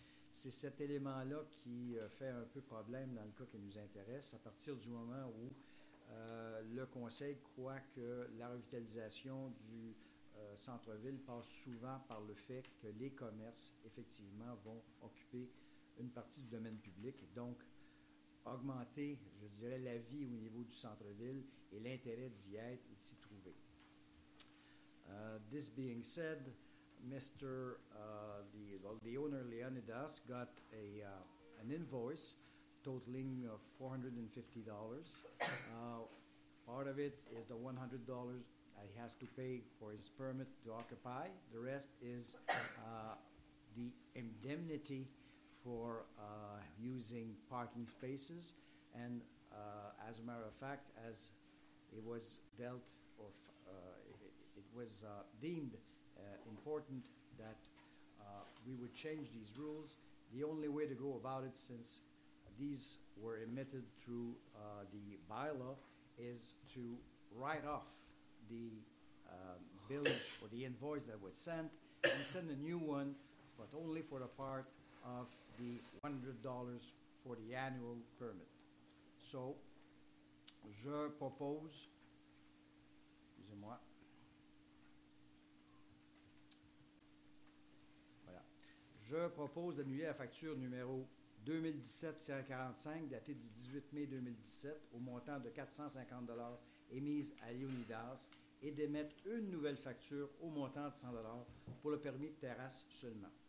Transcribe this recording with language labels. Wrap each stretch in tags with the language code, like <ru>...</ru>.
<fr>C'est cet élément-là qui fait un peu problème dans le cas qui nous intéresse. À partir du moment où le conseil croit que la revitalisation du centre-ville passe souvent par le fait que les commerces, effectivement, vont occuper une partie du domaine public. Donc, augmenter, je dirais, la vie au niveau du centre-ville et l'intérêt d'y être et de s'y trouver.</fr> <en>This being said, Mr. The owner Leonidas got an invoice totaling of $450. Part of it is the $100 that he has to pay for his permit to occupy. The rest is the indemnity for using parking spaces, and as a matter of fact, as it was dealt or it was deemed important that we would change these rules, the only way to go about it, since these were emitted through the bylaw, is to write off the bill or the invoice that was sent and send a new one, but only for the part of the $100 for the annual permit.</en> <fr>So, je propose, excusez-moi, voilà, je propose d'annuler la facture numéro 2017-45, datée du 18 mai 2017, au montant de $450 émise à Leonidas, et d'émettre une nouvelle facture au montant de $100 pour le permis de terrasse seulement.</fr>